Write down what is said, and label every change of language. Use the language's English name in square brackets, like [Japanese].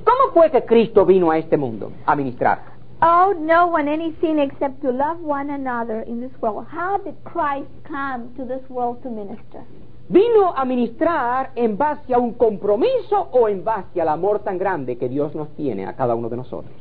[Spanish] ¿Cómo fue que Cristo vino a este mundo a ministrar? [English] Owe no one anything except to love one another in this world. How did Christ come to this world to minister? [Spanish] ¿Vino a ministrar en base a un compromiso o en base al amor tan grande que Dios nos tiene a cada uno de nosotros?